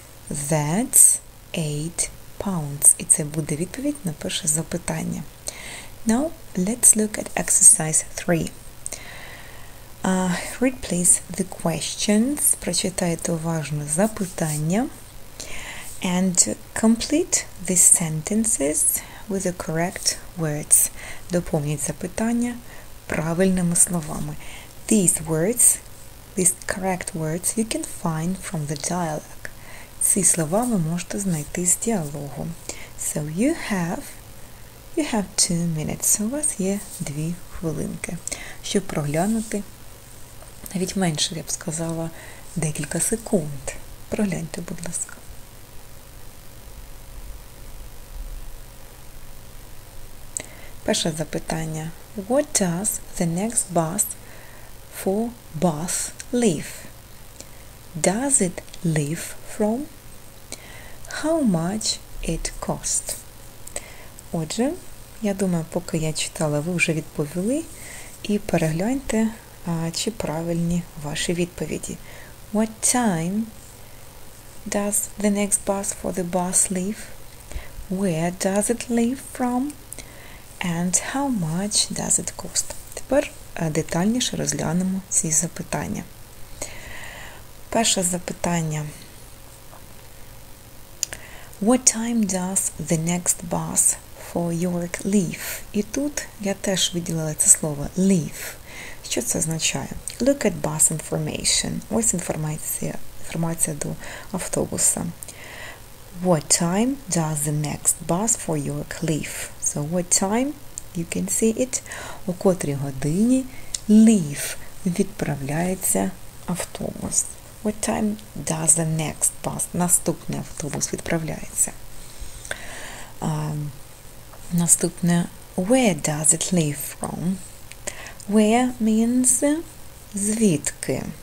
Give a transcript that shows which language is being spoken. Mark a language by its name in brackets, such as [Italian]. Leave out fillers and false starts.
[English] That's £8. [Ukrainian] І це буде відповідь на перше запитання. [English] Now let's look at exercise 3. Read please the questions. [Ukrainian] Прочитайте уважно запитання. [English] And complete the sentences with the correct words. [Ukrainian] Доповніть запитання правильними словами. [English] These words, these correct words, you can find from the dialogue. [Ukrainian] Ці слова ви можете знайти з діалогу. [English] So you have 2 minutes. [Ukrainian] У вас є 2 хвилинки, щоб проглянути, навіть менше, я б сказала, декілька секунд. Прогляньте, будь ласка. Перше запитання. [English] What does the next bus for bus leave? Does it leave from? How much it cost? [Ukrainian] Отже, я думаю, поки я читала, ви вже відповіли. І перегляньте, чи правильні ваші відповіді. [English] What time does the next bus for the bus leave? Where does it leave from? And how much does it cost? [Ukrainian] Тепер детальніше розглянемо ці запитання. Перше запитання. [English] What time does the next bus for York leave? [Ukrainian] І тут я теж виділила це слово leave. Що це означає? [English] Look at bus information. [Ukrainian] Ось інформація до автобуса. [English] What time does the next bus for York leave? So what time You can see it. [Ukrainian] О котрій годині leave відправляється автобус? [English] What time does the next bus? [Ukrainian] Наступний автобус відправляється. Наступне. [English] Where does it leave from? Where means звідки?